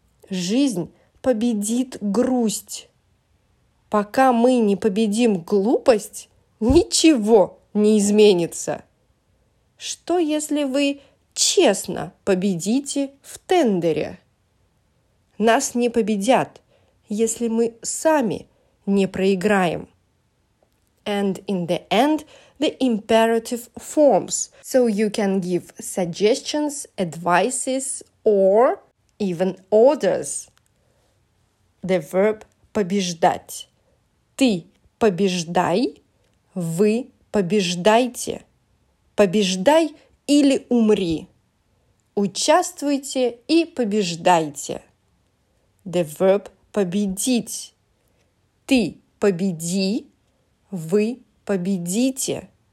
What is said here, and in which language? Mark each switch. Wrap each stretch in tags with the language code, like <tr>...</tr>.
<ru>Жизнь победит грусть. Пока мы не победим глупость, ничего не изменится. Что если вы честно победите в тендере? Нас не победят, если мы сами не проиграем.</ru> <en>And in the end, the imperative forms, so you can give suggestions, advices, or even orders. The verb побеждать.</en> <ru>Ты побеждай, вы побеждайте. Побеждай или умри. Участвуйте и побеждайте.</ru> <en>The verb победить.</en> <ru>Ты победи, вы победите.</ru>